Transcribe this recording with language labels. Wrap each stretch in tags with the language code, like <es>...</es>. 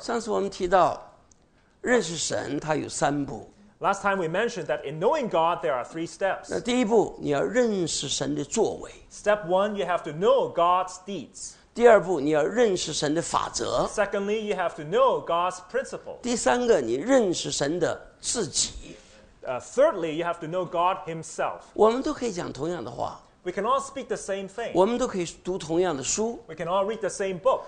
<zh>上次我们提到，认识神他有三步。</zh> <en>Last time we mentioned that in knowing God there are three steps.</en> <zh>那第一步，你要认识神的作为。</zh> <en>Step one, you have to know God's deeds.</en> <zh>第二步，你要认识神的法则。</zh> <en>Secondly, you have to know God's principle.</en> <zh>第三个，你认识神的自己。</zh> <en>Thirdly, you have to know God Himself.</en> <zh>我们都可以讲同样的话。</zh> <en>We can all speak the same thing.</en> <zh>我们都可以读同样的书。</zh> <en>We can all read the same book.</en>